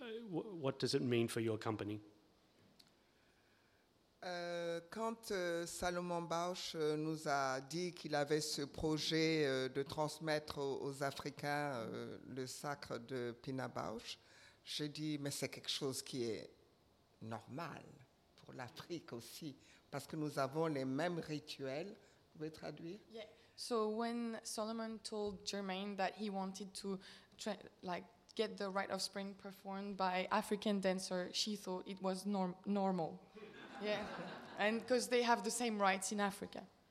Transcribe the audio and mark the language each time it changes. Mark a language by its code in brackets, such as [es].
[en] What does it mean for your company? [fr] Quand Salomon Bausch nous a dit qu'il avait ce projet de transmettre aux Africains le sacre de Pina Bausch, j'ai dit, mais c'est quelque chose qui est normal pour l'Afrique aussi, parce que nous avons les mêmes rituels. Vous pouvez traduire? [en] Yeah. So when Solomon told Germaine that he wanted to get the Rite of Spring performed by African dancer, she thought it was normal. Yeah, and because they have the same rights in Africa.